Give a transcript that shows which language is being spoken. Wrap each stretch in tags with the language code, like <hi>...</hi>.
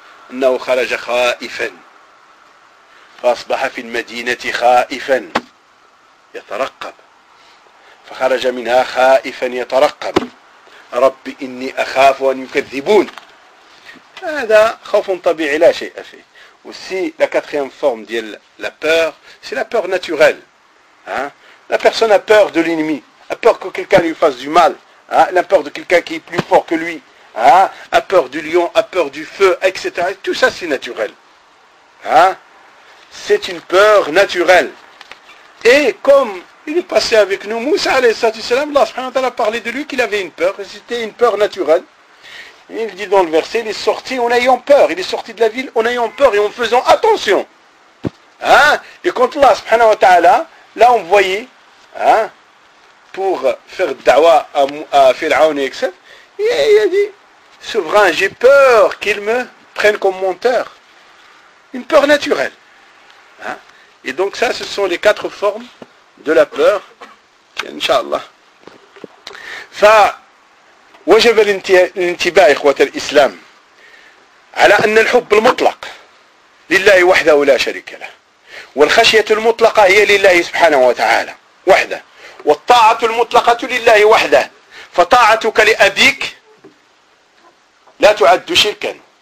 <ar>أنه خرج خائفا فأصبح في المدينة خائفا يترقب فخرج منها خائفا يترقب رب إني أخاف أن يكذبون هذا خوف طبيعي لا شيء فيه</ar> <fr>aussi la quatrième forme de la peur c'est la peur naturelle hein? La personne a peur de l'ennemi a peur que quelqu'un lui fasse du mal hein? La peur de quelqu'un qui est plus fort que lui. Hein? A peur du lion, a peur du feu, etc. Tout ça, c'est naturel. Hein? C'est une peur naturelle. Et comme il est passé avec nous, Moussa, alayhi salam, Allah subhanahu wa ta'ala a parlé de lui qu'il avait une peur. C'était une peur naturelle. Il dit dans le verset, il est sorti en ayant peur. Il est sorti de la ville en ayant peur et en faisant attention. Hein? Et quand Allah subhanahu wa ta'ala l'a envoyé, hein? pour faire dawa à Pharaon et etc. Et il a dit, souverain, j'ai peur qu'il me prenne comme menteur. Une peur naturelle. Hein? Et donc ça, ce sont les quatre formes de la peur. Inch'Allah.</fr> <ar>Fa وجب الانتباه إخوة الإسلام على أن الحب المطلق لله وحده ولا شريك له والخشية المطلقة هي لله سبحانه وتعالى وحده والطاعة المطلقة لله وحده فطاعتك لأبيك لا تعد شركا</ar>